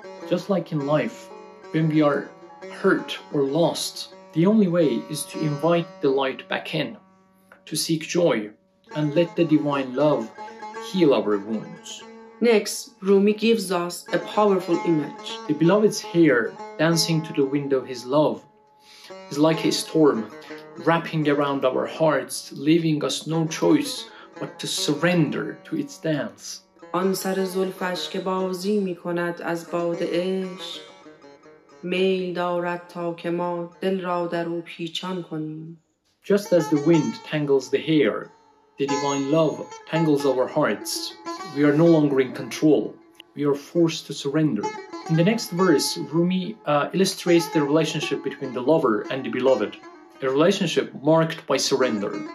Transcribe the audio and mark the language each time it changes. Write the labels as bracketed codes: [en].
[en] Just like in life, when we are hurt or lost, the only way is to invite the light back in, to seek joy, and let the divine love heal our wounds. Next, Rumi gives us a powerful image. The beloved's hair dancing to the wind of his love is like a storm wrapping around our hearts, leaving us no choice but to surrender to its dance. [fa] آن سر زلفش که بازی می کند از باد عشق میل دارد تا که ما دل را در او پیچان کنیم. [en] Just as the wind tangles the hair, the divine love tangles our hearts. We are no longer in control. We are forced to surrender. In the next verse, Rumi illustrates the relationship between the lover and the beloved, a relationship marked by surrender.